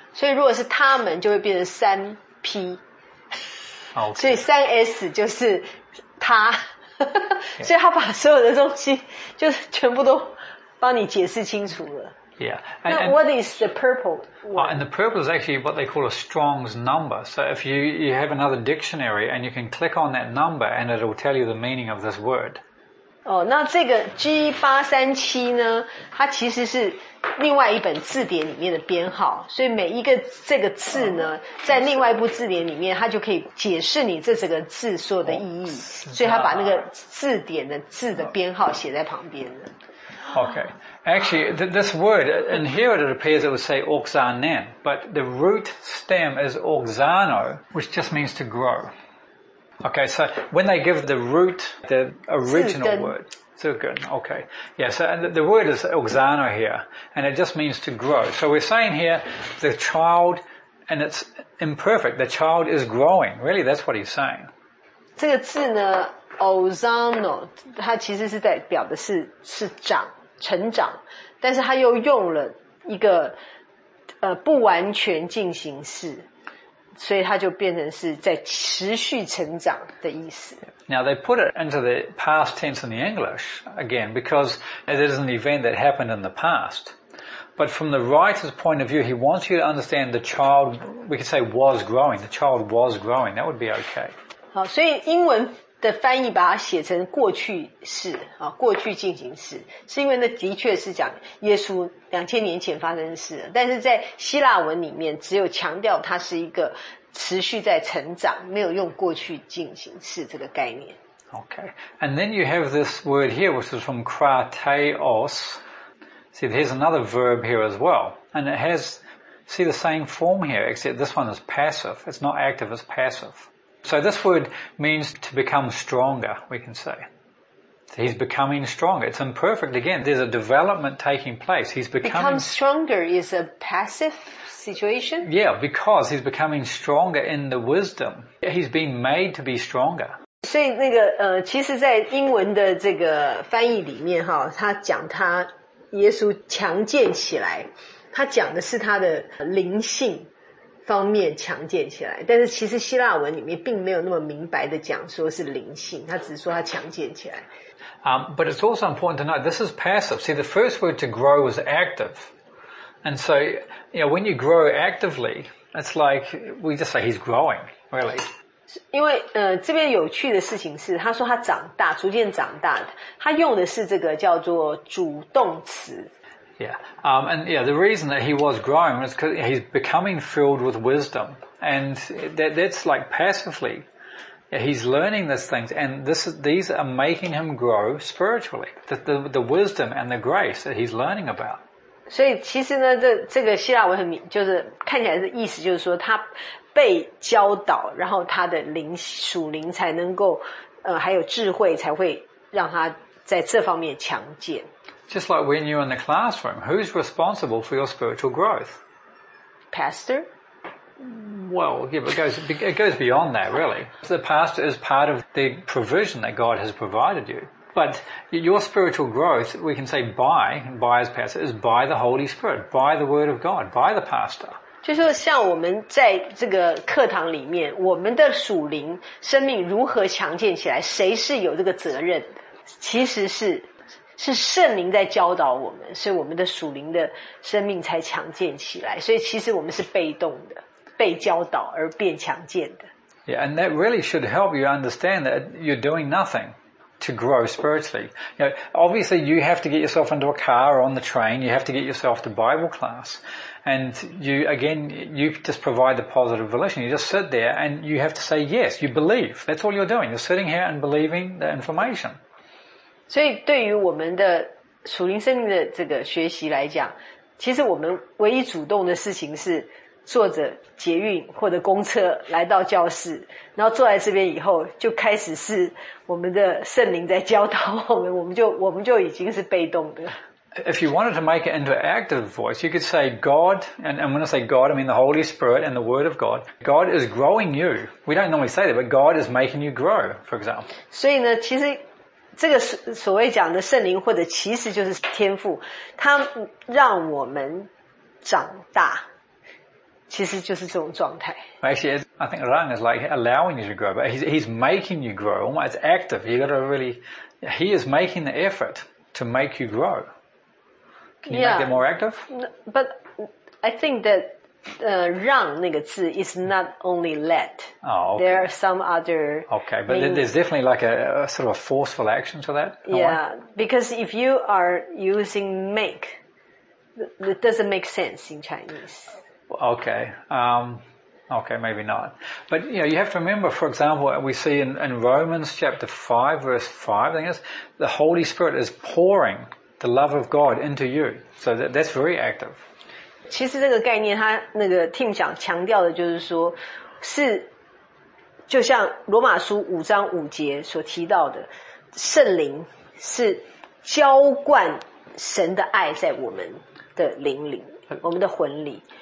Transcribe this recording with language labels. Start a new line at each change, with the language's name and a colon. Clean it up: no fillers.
Chinese: 所以如果是他们就会变成三 P.
English: Okay.
Chinese: 所以三 S 就是他。所以他把所有的东西就全部都帮你解释清楚了。
English: Yeah. And what is the purple? And the purple is actually what they call a Strong's number. So if you have another dictionary and you can click on that number and it will tell you the meaning of this word.
Chinese: 哦，那这个 G837 呢，它其实是另外一本字典里面的编号，所以每一个这个字呢，在另外一部字典里面，它就可以解释你这整个字所有的意义，所以它把那个字典的字的编号写在旁边了。
English: Okay. Actually, this word, in here it appears it would say oxanem, but the root stem is oxano, which just means to grow. Okay, so when they give the root, the original word, zugun, okay. Yeah, so the word is oxano here, and it just means to grow. So we're saying here, the child, and it's imperfect, the child is growing. Really, that's what he's saying.
Chinese: 这个字呢 oxano, 它其实是代表的是长。成长，但是他又用了一个不完全进行式，所以他就变成是在持续成长的意思。
English: Now they put it into the past tense in the English again because it is an event that happened in the past. But from the writer's point of view, he wants you to understand the child. We could say was growing. The child was growing. That would be okay.
Chinese: 好，所以英文。的翻译把它写成过去式、啊、过去进行式，是因为那的确是讲耶稣2000年前发生的事，但是在希腊文里面只有强调它是一个持续在成长，没有用过去进行式这个概念。
English: Okay, and then you have this word here which is from krateos. See, there's another verb here as well, and it has, see the same form here, except this one is passive, it's not active, it's passiveSo this word means to become stronger, we can say. So he's becoming stronger. It's imperfect again. There's a development taking place. He's becoming... Become stronger is a passive situation? Yeah, because he's becoming stronger in the wisdom. He's being made to be stronger.
Chinese: 所以那个其实在英文的这个翻译里面哈，他讲他耶稣强健起来，他讲的是他的灵性。方面强健起来，但是其实希腊文里面并没有那么明白的讲说是灵性，他只是说他强健起来。
English: But it's also important to note this is passive. See, the first word to grow is active, and so you know when you grow actively, it's like we just say he's growing, really.
Chinese: 因为这边有趣的事情是，他说他长大，逐渐长大，他用的是这个叫做主动词。
English: Yeah, and yeah, the reason that he was growing is because he's becoming filled with wisdom. And that's like passively. Yeah, he's learning these things and these are making him grow spiritually. The wisdom and the grace that he's learning about.
Chinese: 所以其实呢这个希腊文很明就是看起来的意思就是说他被教导然后他的灵属灵才能够还有智慧才会让他在这方面强健。
English: Just like when you're in the classroom, who's responsible for your spiritual growth? Pastor? Well, yeah, but it goes beyond that, really. The pastor is part of the provision that God has provided you. But your spiritual growth, we can say by as pastor, is by the Holy Spirit, by the Word of God, by the pastor.
Chinese: 就是像我们在这个课堂里面，我们的属灵生命如何强健起来，谁是有这个责任？其实是圣灵在教导我们，所以我们的属灵的生命才强健起来。所以其实我们是被动的，被教导而变强健的。
English: Yeah, and that really should help you understand that you're doing nothing to grow spiritually. You know, obviously, you have to get yourself into a car or on the train. You have to get yourself to Bible class. And you, again, you just provide the positive volition. You just sit there and you have to say yes. You believe. That's all you're doing. You're sitting here and believing the information.
Chinese: 所以对于我们的属灵生命的这个学习来讲，其实我们唯一主动的事情是坐着捷运或者公车来到教室，然后坐在这边以后就开始是我们的圣灵在教导我们，我们就已经是被动的。
English: If you wanted to make it into an active voice, you could say God, and when I say God, I mean the Holy Spirit and the Word of God. God is growing you. We don't normally say that, but God is making you grow, for example.
Chinese: 所以呢，其实这个所谓讲的圣灵或者其实就是天父，他让我们长大，其实就是这种状态。
English: Actually, I think Rang is like allowing you to grow, but he's making you grow. Almost, it's active. You got to really, he is making the effort to make you grow. Can you make it more active? But I think that
Chinese: 让那个字
English: is not only let.、 Oh, okay. There are some other. Okay, but there's definitely like a sort of a forceful action to that. Yeah,、way. Because if you are using make, it doesn't make sense in Chinese. Okay.、Okay, maybe not. But you know, you have to remember, for example, we see in Romans chapter 5, verse 5, I think it's, the Holy Spirit is pouring the love of God into you. So that's very active.
Chinese: 其实这个概念他那个 Tim 讲强调的就是说是就像罗马书五章五节所提到的圣灵是浇灌神的爱在我们的灵里我们的魂里。